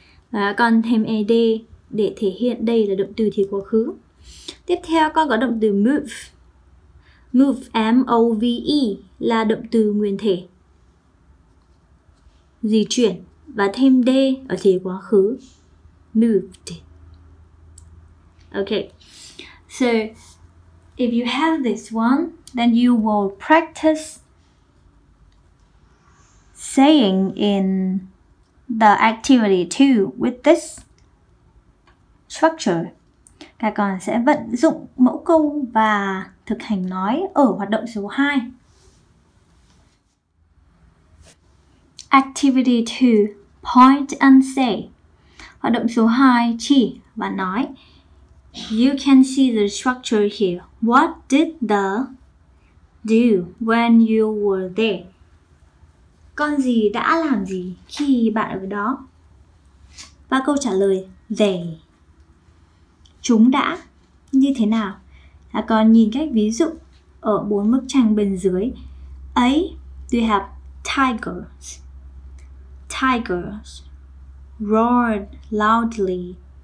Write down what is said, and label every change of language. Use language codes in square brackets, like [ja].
[vi] Và con thêm ed để thể hiện đây là động từ thì quá khứ. Tiếp theo con có động từ move. Move, M-O-V-E, là động từ nguyên thể, di chuyển, và thêm d ở thể quá khứ, moved. [en] Okay, so if you have this one, then you will practice saying in the activity 2 with this structure. [vi] Các con sẽ vận dụng mẫu câu và thực hành nói ở hoạt động số 2. [en] Activity 2, point and say. [vi] Hoạt động số 2, chỉ và nói. [en] You can see the structure here. What did the do when you were there? [vi] Con gì đã làm gì khi bạn ở đó? Và câu trả lời, they. Chúng đã như thế nào? Là con nhìn cách ví dụ ở bốn bức tranh bên dưới. [en] A, we have tigers. Tigers roared loudly.